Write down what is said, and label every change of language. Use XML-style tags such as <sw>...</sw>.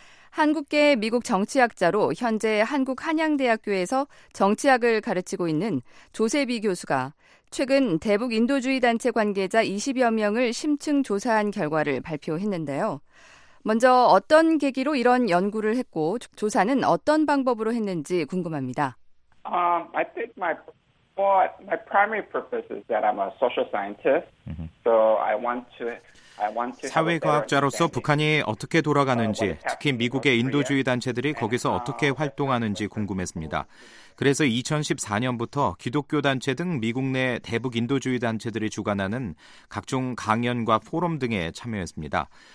<ko>한국계 미국 정치학자로 현재 한국 한양대학교에서 정치학을 가르치고 있는 조세비 교수가 최근 대북 인도주의 단체 관계자 20여 명을 심층 조사한 결과를 발표했는데요. 먼저 어떤 계기로 이런 연구를 했고 조사는 어떤 방법으로 했는지 궁금합니다.</ko> <en>I think my primary purpose is that I'm a social scientist. So I want to</en> <ko>사회과학자로서 북한이 어떻게 돌아가는지, 특히 미국의 인도주의 단체들이 거기서 어떻게 활동하는지 궁금했습니다. 그래서 2014년부터 기독교 단체 등 미국 내 대북 인도주의 단체들이 주관하는 각종 강연과 포럼 등에 참여했습니다.</ko>